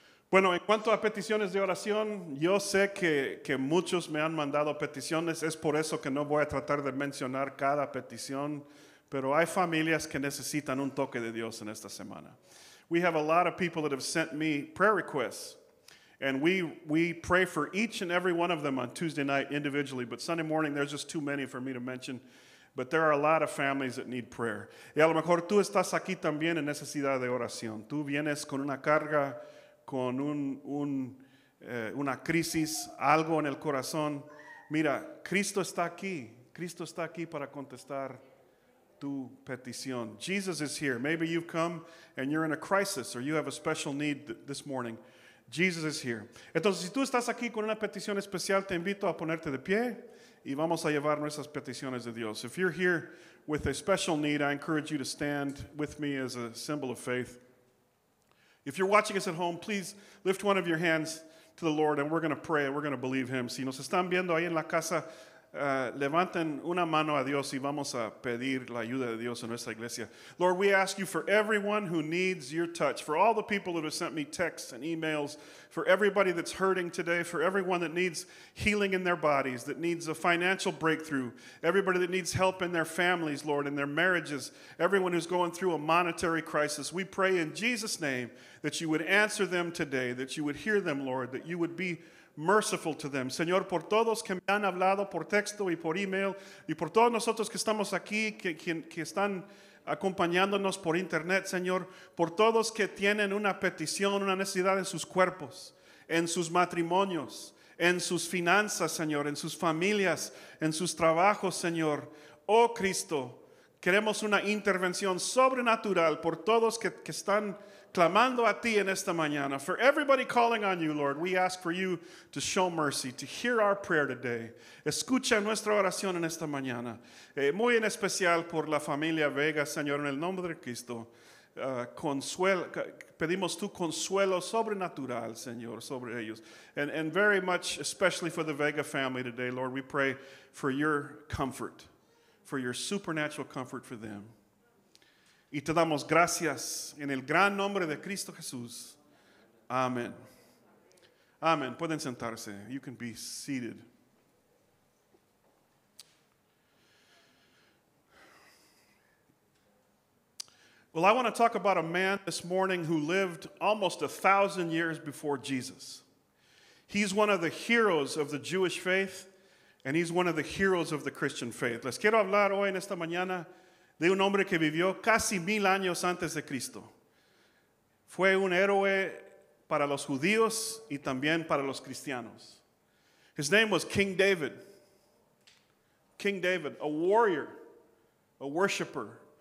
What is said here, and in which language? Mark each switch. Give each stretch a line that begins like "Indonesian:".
Spanish: Bueno, en cuanto a peticiones de oración, yo sé que muchos me han mandado peticiones. Es por eso que no voy a tratar de mencionar cada petición. Pero hay familias que necesitan un toque de Dios en esta semana.
English: We have a lot of people that have sent me prayer requests. And we pray for each and every one of them on Tuesday night individually. But Sunday morning, there's just too many for me to mention. But there are a lot of families that need prayer.
Spanish: Y a lo mejor tú estás aquí también en necesidad de oración. Tú vienes con una carga, con una crisis, algo en el corazón. Mira, Cristo está aquí. Cristo está aquí para contestar tu petición.
English: Jesus is here. Maybe you've come and you're in a crisis or you have a special need this morning. Jesus is here.
Spanish: Entonces, si tú estás aquí con una petición especial, te invito a ponerte de pie y vamos a llevar nuestras peticiones a Dios.
English: If you're here with a special need, I encourage you to stand with me as a symbol of faith. If you're watching us at home, please lift one of your hands to the Lord and we're going to pray and we're going to believe Him.
Spanish: Si nos están viendo ahí en la casa, levanten una mano a Dios y vamos a pedir la ayuda de Dios en nuestra iglesia.
English: Lord, we ask you for everyone who needs your touch, for all the people that have sent me texts and emails, for everybody that's hurting today, for everyone that needs healing in their bodies, that needs a financial breakthrough, everybody that needs help in their families, Lord, in their marriages, everyone who's going through a monetary crisis. We pray in Jesus' name that you would answer them today, that you would hear them, Lord, that you would be merciful to them.
Spanish: Señor, por todos que me han hablado por texto y por email, y por todos nosotros que estamos aquí, que están acompañándonos por internet, Señor, por todos que tienen una petición, una necesidad en sus cuerpos, en sus matrimonios, en sus finanzas, Señor, en sus familias, en sus trabajos, Señor. Oh Cristo, queremos una intervención sobrenatural por todos que están clamando a ti en esta mañana.
English: For everybody calling on you, Lord, we ask for you to show mercy, to hear our prayer today.
Spanish: Escucha nuestra oración en esta mañana. Muy en especial por la familia Vega, Señor, en el nombre de Cristo. Pedimos tu consuelo sobrenatural, Señor, sobre ellos.
English: And very much especially for the Vega family today, Lord, we pray for your comfort, for your supernatural comfort for them.
Spanish: Y te damos gracias en el gran nombre de Cristo Jesús. Amén. Amén. Pueden sentarse.
English: You can be seated. Well, I want to talk about a man this morning who lived almost 1,000 years before Jesus. He's one of the heroes of the Jewish faith, and he's one of the heroes of the Christian faith.
Spanish: Les quiero hablar hoy en esta mañana de un hombre que vivió casi 1,000 años antes de Cristo. Fue un héroe para los judíos y también para los cristianos.
English: His name was King David. King David, a warrior, a worshiper.